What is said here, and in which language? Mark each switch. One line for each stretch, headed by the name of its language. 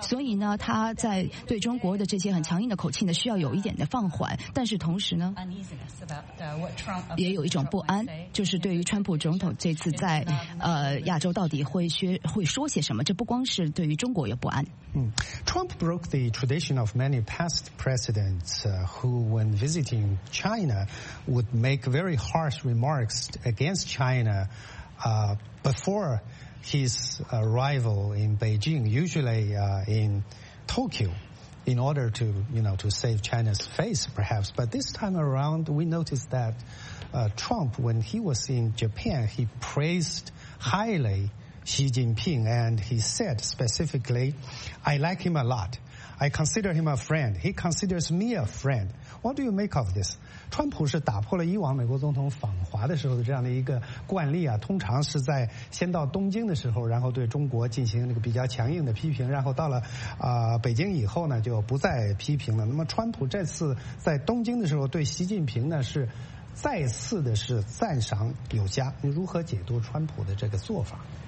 Chinese: 所以呢，他在对中国的这些很强硬的口气呢需要有一点的放缓，但是同时呢也有一种不安，就是对于川普总统这次在亚洲到底会说些什么。这不光是对于中国有不安。
English: Trump broke the tradition of many past presidents who when visiting China would make very harsh remarks against ChinaBefore his arrival in Beijing, usually in Tokyo, in order to, you know, to save China's face, perhaps. But this time around, we noticed that Trump, when he was in Japan, he praised highly Xi Jinping, and he said specifically, I like him a lot. I consider him a friend. He considers me a friend. What do you make of this?
Chinese: 川普是打破了以往美国总统访华的时候的这样的一个惯例啊，通常是在先到东京的时候，然后对中国进行那个比较强硬的批评，然后到了北京以后呢，就不再批评了。那么川普这次在东京的时候对习近平呢是再次的是赞赏有加，你如何解读川普的这个做法？